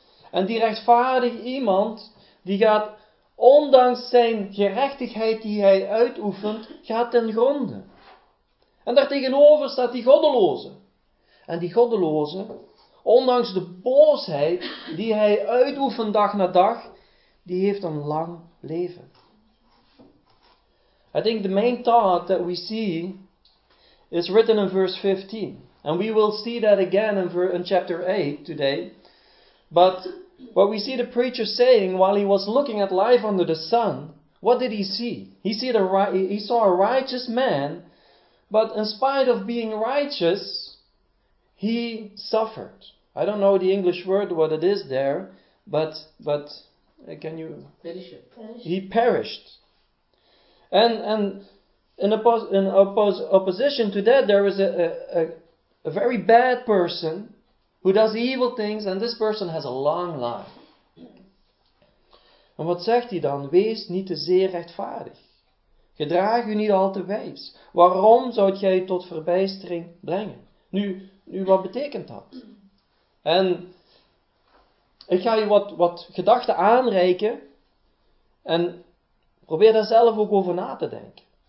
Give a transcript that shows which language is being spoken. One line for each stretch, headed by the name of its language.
Dutch: En die rechtvaardig iemand, die gaat ondanks zijn gerechtigheid die hij uitoefent, gaat ten gronde. En daartegenover staat die goddeloze. En die goddeloze, ondanks de boosheid die hij uitoefent dag na dag, die heeft een lang leven.
English: I think the main thought that we see is written in verse 15. And we will see that again in chapter 8 today. But what we see the preacher saying while he was looking at life under the sun, what did he see? He saw a righteous man, but in spite of being righteous, he suffered. I don't know the English word, what it is there, but can you... Perished. He perished. And in opposition to that, there is a very bad person who does evil things, and this person has a long life.
Dutch: En wat zegt hij dan? Wees niet te zeer rechtvaardig. Gedraag u niet al te wijs. Waarom zou jij je tot verbijstering brengen? Nu, wat betekent dat? En ik ga je wat gedachten aanreiken en probeer daar zelf ook over na te denken.